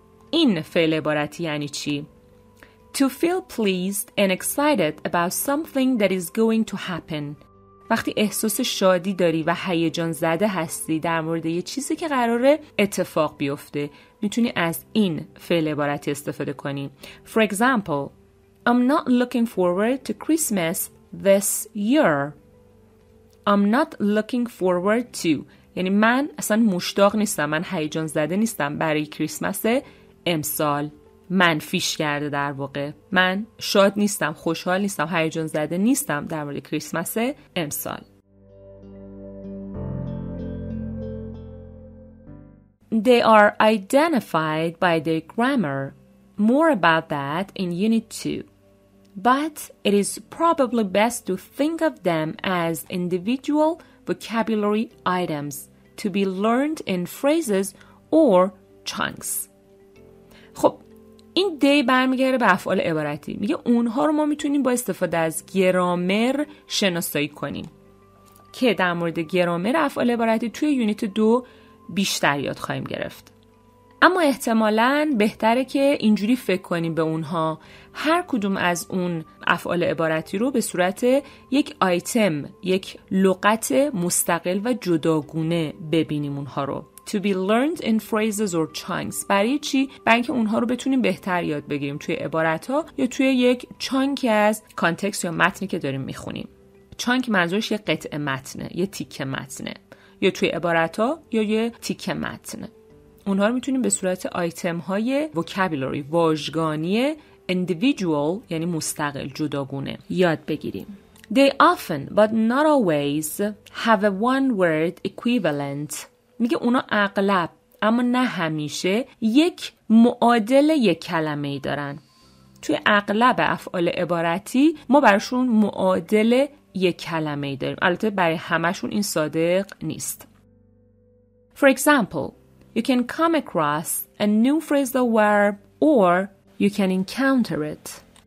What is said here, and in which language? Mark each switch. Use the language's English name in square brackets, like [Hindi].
[Persian] این فعل عبارتی یعنی چی؟ [English] To feel pleased and excited about something that is going to happen. [Persian] وقتی احساس شادی داری و هیجان زده هستی در مورد یه چیزی که قراره اتفاق بیفته میتونی از این فعل عبارتی استفاده کنی. [English] For example, I'm not looking forward to Christmas this year. I'm not looking forward to. [Persian] یعنی من اصلا مشتاق نیستم، من هیجان زده نیستم برای کریسمس امسال. من فیش کرده در واقع، من شاد نیستم، خوشحال نیستم، هیجان زده نیستم در مورد کریسمس امسال. [English] They are identified by their grammar. More about that in unit 2. But it is probably best to think of them as individual vocabulary items to be learned in phrases or chunks. [Persian] خب این دی برمیگره به افعال عبارتی، میگه اونها رو ما میتونیم با استفاده از گرامر شناسایی کنیم که در مورد گرامر افعال عبارتی توی یونیت 2 بیشتر یاد خواهیم گرفت. اما احتمالاً بهتره که اینجوری فکر کنیم به اونها، هر کدوم از اون افعال عبارتی رو به صورت یک آیتم، یک لغت مستقل و جداگونه ببینیم اونها رو. [English] To be learned in phrases or chunks. [Persian] برای چی؟ برای اینکه اونها رو بتونیم بهتر یاد بگیریم توی عبارت‌ها یا توی یک چانک از کانتکست یا متنی که داریم میخونیم. چانک منظورش یه قطعه متنه، یه تیکه متنه. یا توی عبارت‌ها یا یه تیکه متنه. اونها رو میتونیم به صورت آیتم‌های وکابیلوری، واژگانی individual یعنی مستقل، جداگونه یاد بگیریم. [English] They often, but not always, have a one-word equivalent. [Persian] میگه اونا اغلب اما نه همیشه یک معادل یک کلمه‌ای دارن. توی اغلب افعال عبارتی ما براشون معادل یک کلمه‌ای داریم، البته برای همه‌شون این صادق نیست. [English] For example, you can come across a new phrasal verb or you can encounter it.